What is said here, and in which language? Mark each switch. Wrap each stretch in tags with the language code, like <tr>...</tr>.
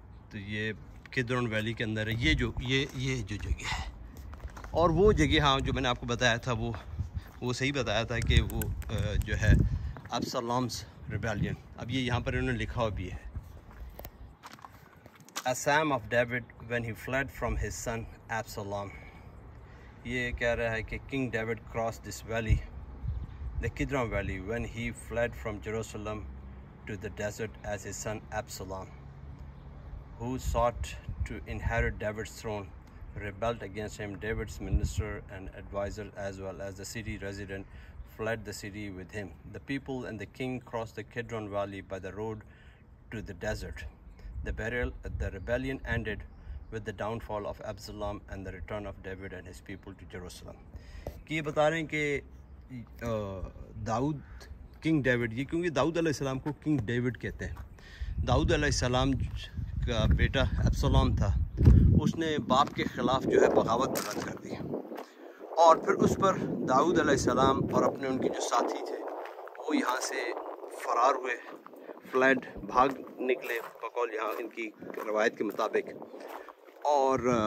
<ur>تو یہ کدرون ویلی کے اندر ہے، یہ جو جگہ ہے، اور وہ جگہ، ہاں، جو میں نے آپ کو بتایا تھا، وہ صحیح بتایا تھا کہ وہ جو ہے ابسلامز ریبیلین۔ اب یہ یہاں پر انہوں نے لکھا ہوا بھی ہے،</ur> <en>A psalm of David when he fled from his son Absalom.</en> <ur>یہ کہہ رہا ہے کہ</ur> <en>King David crossed this valley, the Kidron Valley, when he fled from Jerusalem to the desert as his son Absalom, who sought to inherit David's throne, rebelled against him. David's minister and advisor as well as the city resident fled the city with him. The people and the king crossed the Kidron Valley by the road to the desert. The rebellion ended with the downfall of Absalom and the return of David and his people to Jerusalem.</en> <ur>کہ یہ بتا رہے ہیں کہ داؤد، king David, یہ کیونکہ داؤد علیہ السلام کو کنگ ڈیوڈ کہتے ہیں، داؤد علیہ السلام کا بیٹا ابسلام تھا، اس نے باپ کے خلاف جو ہے بغاوت بلند کر دی، اور پھر اس پر داؤد علیہ السلام اور اپنے ان کے جو ساتھی تھے وہ یہاں سے فرار ہوئے، فلیڈ، بھاگ نکلے، بقول یہاں ان کی روایت کے مطابق، اور</ur>